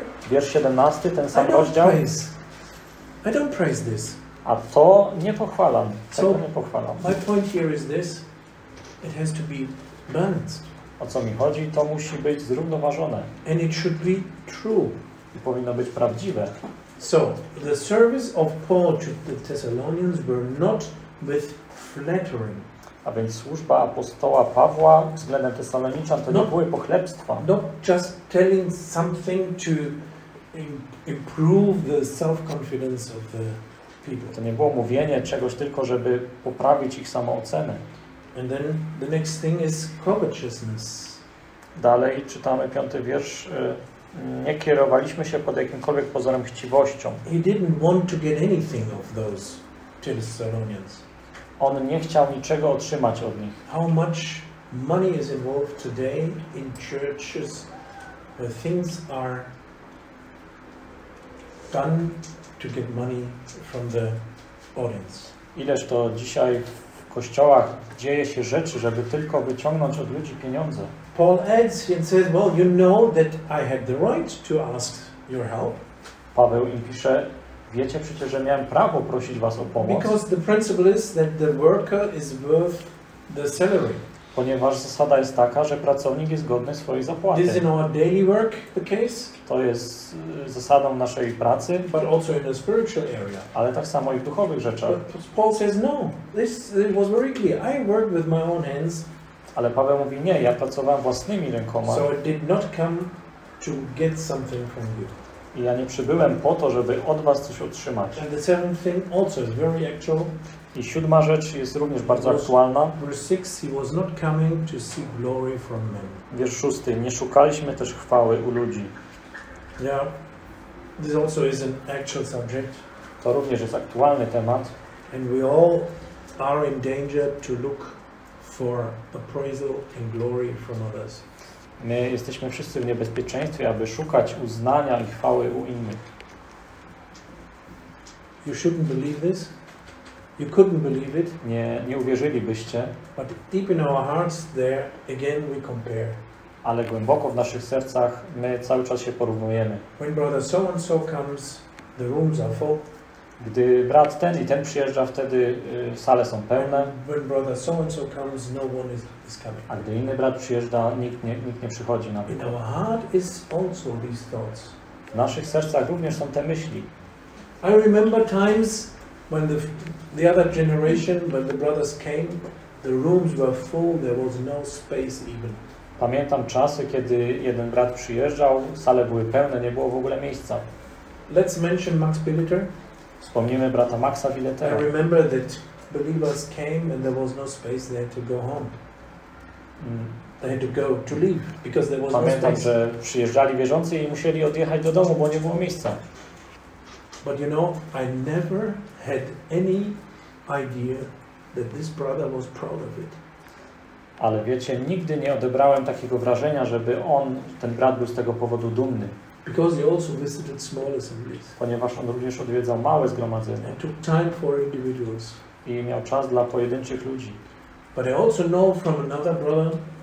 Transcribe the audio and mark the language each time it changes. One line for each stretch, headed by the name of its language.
Polish: Wiersz 17, ten sam rozdział.
English: I don't praise this.
Polish: A to nie pochwalam. Tego nie pochwalam.
English: My point here is this. It has to be balanced.
Polish: O co mi chodzi? To musi być zrównoważone.
English: And it should be true.
Polish: I powinno być prawdziwe.
English: So, the service of Paul to the Thessalonians were not with flattering.
Polish: A więc służba apostoła Pawła względem Tesaloniczan to nie były pochlebstwa.
English: Not just telling something to improve the self-confidence of the people.
Polish: To nie było mówienie czegoś tylko, żeby poprawić ich samoocenę.
English: And then the next thing is covetousness.
Polish: Dalej czytamy piąty wiersz. Nie kierowaliśmy się pod jakimkolwiek pozorem chciwością.
English: He didn't want to get anything of those Thessalonians.
Polish: On nie chciał niczego otrzymać od nich.
English: How much money is involved today in churches where things are done to get money from the audience?
Polish: Ileż to dzisiaj w kościołach dzieje się rzeczy, żeby tylko wyciągnąć od ludzi pieniądze?
English: Paul adds and says, well, you know that I had the right to ask your help.
Polish: Paweł im pisze, Wiecie przecież, że miałem prawo prosić was o pomoc.
English: Because the principle is that the worker is worth the salary.
Polish: Ponieważ zasada jest taka, że pracownik jest godny swojej zapłaty.
English: This is in our daily work the case.
Polish: To jest zasadą naszej pracy.
English: But also in the spiritual area.
Polish: Ale tak samo i w duchowych rzeczach.
English: But Paul says no. This was very clear. I worked with my own hands.
Polish: Ale Paweł mówi nie, ja pracowałem własnymi rękoma.
English: So I did not come to get something from you.
Polish: I ja nie przybyłem po to, żeby od was coś otrzymać.
English: And the seventh thing also is very actual.
Polish: I siódma rzecz jest również bardzo aktualna.
English: Verse 6, he was not coming to see glory from men.
Polish: Wiersz 6, nie szukaliśmy też chwały u ludzi.
English: Yeah, this also is an actual subject.
Polish: To również jest aktualny temat.
English: And we all are in danger to look for appraisal and glory from others.
Polish: My jesteśmy wszyscy w niebezpieczeństwie, aby szukać uznania i chwały u innych.
English: You shouldn't believe this. You couldn't believe it.
Polish: Nie uwierzylibyście.
English: But deep in our hearts, there again we compare.
Polish: Ale głęboko w naszych sercach my cały czas się porównujemy.
English: When brother so and so comes, the rooms are full.
Polish: Gdy brat ten i ten przyjeżdża, wtedy sale są pełne.
English: When brother so and so comes, no one is coming.
Polish: A gdy inny brat przyjeżdża, nikt nie przychodzi na bieg.
English: In our heart is also these thoughts.
Polish: W naszych sercach również są te myśli.
English: I remember times when the other generation, when the brothers came, the rooms were full, there was no space even.
Polish: Pamiętam czasy, kiedy jeden brat przyjeżdżał, sale były pełne, nie było w ogóle miejsca.
English: Let's mention Max Billiter.
Polish: Wspomnimy brata Maxa Billetera.
English: I remember that believers came and there was no space, they had to go home. They had to go to leave, because there was
Polish: Pamiętam,
English: no space.
Polish: Pamiętam, że przyjeżdżali wierzący i musieli odjechać do domu, bo nie było miejsca.
English: But you know, I never had any idea that this brother was proud of it.
Polish: Ale wiecie, nigdy nie odebrałem takiego wrażenia, żeby on, ten brat, był z tego powodu dumny.
English: Because he also visited small assemblies.
Polish: Ponieważ on również odwiedzał małe zgromadzenia.
English: And took time for individuals.
Polish: I miał czas dla pojedynczych ludzi.
English: But I also know from another brother,